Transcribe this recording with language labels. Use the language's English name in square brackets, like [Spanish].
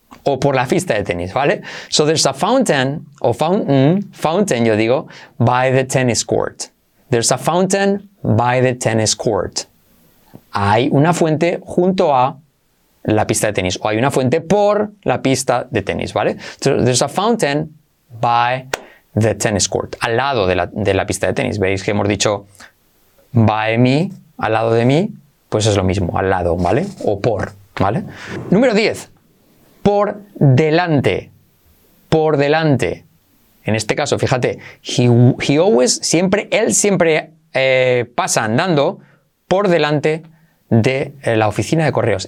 [Spanish] O por la pista de tenis, ¿vale? [English] So there's a fountain, [Spanish] o fountain, yo digo, [English] by the tennis court. There's a fountain by the tennis court. [Spanish] Hay una fuente junto a la pista de tenis. O hay una fuente por la pista de tenis, ¿vale? [English] So there's a fountain by the tennis court. [Spanish] Al lado de la pista de tenis. Veis que hemos dicho [English] by me, [Spanish] al lado de mí, pues es lo mismo, al lado, ¿vale? O por, ¿vale? Número 10. Por delante. Por delante. En este caso, fíjate, él siempre pasa andando por delante de la oficina de correos.